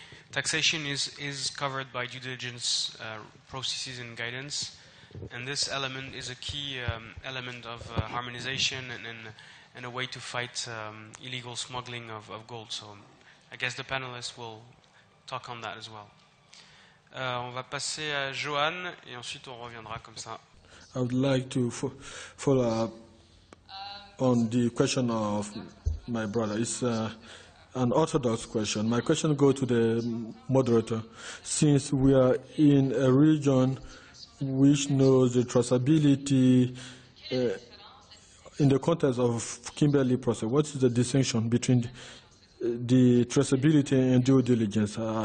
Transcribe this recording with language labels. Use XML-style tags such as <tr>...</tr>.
<en>Taxation is covered by due diligence processes and guidance, and this element is a key element of harmonization and a way to fight illegal smuggling of gold. So, I guess the panelists will talk on that as well.</en> <fr>On va passer à Johan, et ensuite on reviendra comme ça.</fr> <en>I would like to follow up on the question of my brother. It's an orthodox question. My question goes to the moderator. Since we are in a region which knows the traceability in the context of Kimberley process, what is the distinction between the traceability and due diligence?</en>